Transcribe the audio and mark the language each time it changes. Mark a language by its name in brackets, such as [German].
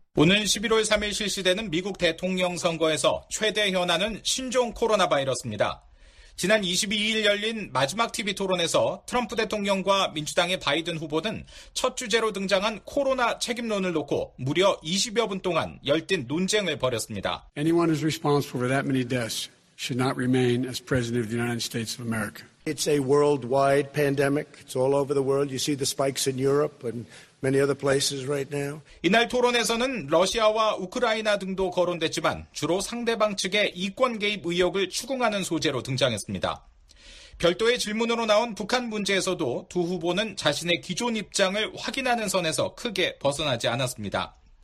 [Korean] 오는 11월 3일 실시되는 미국 대통령 선거에서 최대 현안은 신종 코로나 바이러스입니다. 지난 22일 열린 마지막 TV 토론에서 트럼프 대통령과 민주당의 바이든 후보는 첫 주제로 등장한 코로나 책임론을 놓고 무려 20여 분 동안 열띤 논쟁을 벌였습니다. [English] Anyone who is responsible for that many deaths should not remain as president of the United States of America. It's a worldwide pandemic. It's all over the world. You see the spikes in Europe and many other places right now. [Korean] 이날 토론에서는 러시아와 우크라이나 등도 거론됐지만 주로 상대방 측의 이권 개입 의혹을 추궁하는 소재로 등장했습니다. 별도의 질문으로 나온 북한 문제에서도 두 후보는 자신의 기존 입장을 확인하는 선에서 크게 벗어나지 않았습니다.